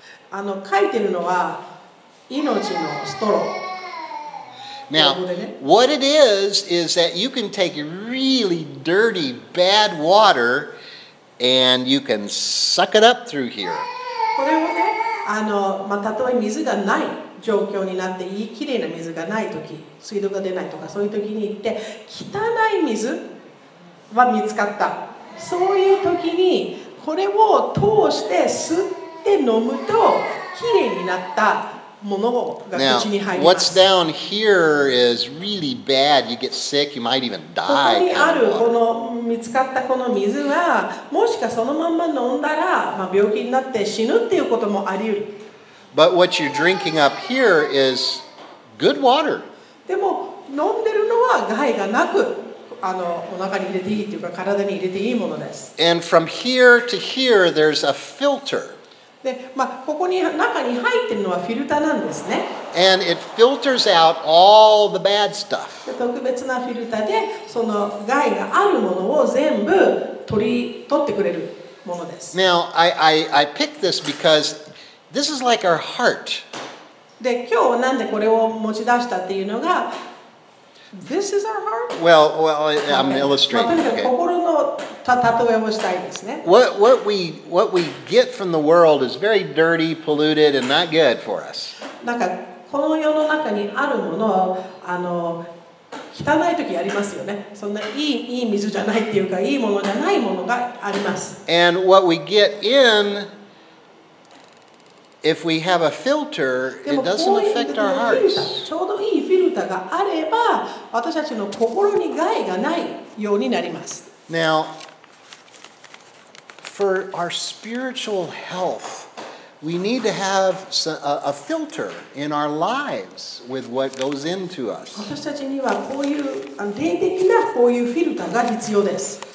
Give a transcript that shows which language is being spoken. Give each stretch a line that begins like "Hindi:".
Japanese: 書いてるのは命のストロー。
English: Now, what it is that you can take really dirty, bad water. And you can suck it up through here.
Japanese: これをね、たとえ水がない状況になって、いいきれいな水がないとき、水道が出ないとか、そういうときに行って、汚い水は見つかった。そういうときに、これを通して吸って飲むと、きれいになったものが口に入ります。
English: Now, what's down here is really bad. You get sick. You might even die.
Japanese: ここにあるこの見つかったこの水は、もしかそのまま飲んだら、まあ、病気になって死ぬっていうこともあり得る。
English: But what you're drinking up here is good water.
Japanese: でも飲んでるのは害がなく、お腹に入れていいっていうか体に入れていいものです。
English: And from here to here, there's a filter.
Japanese: でまあ、ここに中に入ってるのはフィルターなんですね。
English: And it filters out all the bad stuff.
Japanese: 特別なフィルターでその害があるものを全部取ってくれるものです。
English: Now, I picked this because this is like our heart.
Japanese: で今日なんでこれを持ち出したっていうのが
English: This is our heart? Well, I'm illustrating.
Japanese: とにかく心の例えをしたいですね。
English: What we get from the world is very dirty, polluted, and not good for us.
Japanese: なんかこの世の中にあるものを汚い時ありますよね。そんないい水じゃないっていうか、いいものじゃないものがあります。
English: And what we get in, if we have a filter, it doesn't affect our hearts.
Japanese: ちょうどいいフィルターがあれば、私たちの心に害がないようになります。
English: Now, for our spiritual health, we need to have a filter in our lives with what goes into us.
Japanese: 私たちにはこういう霊的なこういうフィルターが必要です。